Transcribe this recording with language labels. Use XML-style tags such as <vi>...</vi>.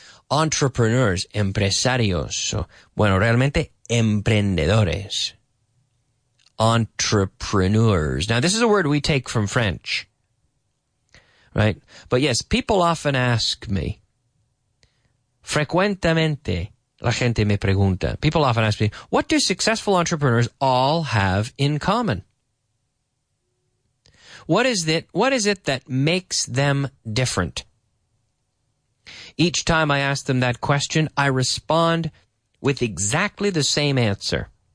<es>Entrepreneurs, empresarios, bueno, realmente emprendedores.</es> <en>Entrepreneurs. Now, this is a word we take from French, right? But yes, people often ask me.</en> <es>Frecuentemente, la gente me pregunta.</es> <en>People often ask me, what do successful entrepreneurs all have in common? What is it that makes them different? Each time I ask them that question, I respond with exactly the same answer.</en>